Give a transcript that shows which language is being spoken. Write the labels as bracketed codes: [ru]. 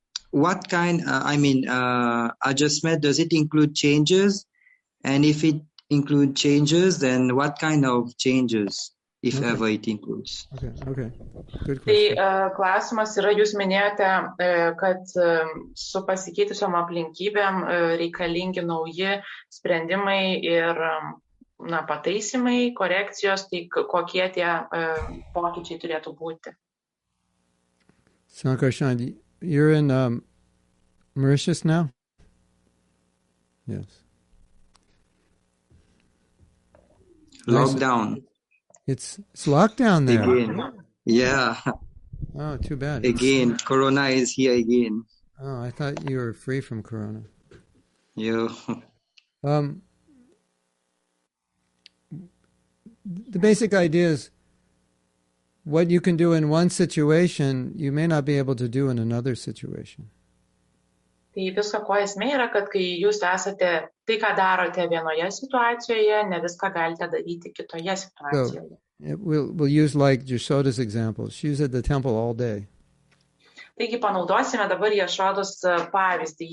[en] What kind, adjustment, does it include changes? And if it includes changes, then what kind of changes, if okay. ever it includes? Okay, good question. Tai [lt] klausimas yra, jūs minėjote, kad su pasikeitusiom aplinkybėm reikalingi nauji sprendimai ir pataisimai, korekcijos, tai kokie tie pokyčiai turėtų būti? [en] Sankarshan, you're in... Mauritius now? Yes. Lockdown. It's lockdown there. Again. Yeah. Oh, too bad. Again, Corona is here again. Oh, I thought you were free from Corona. Yeah. The basic idea is what you can do in one situation, you may not be able to do in another situation. [lt] Tai viską, ko esmė yra, kad kai jūs esate, tai ką darote vienoje situacijoje, ne viską galite daryti kitoje situacijoje. [en] So, we'll use like Yashoda's example. She's at the temple all day. [lt] Taigi panaudosime dabar Yashoda's pavyzdį.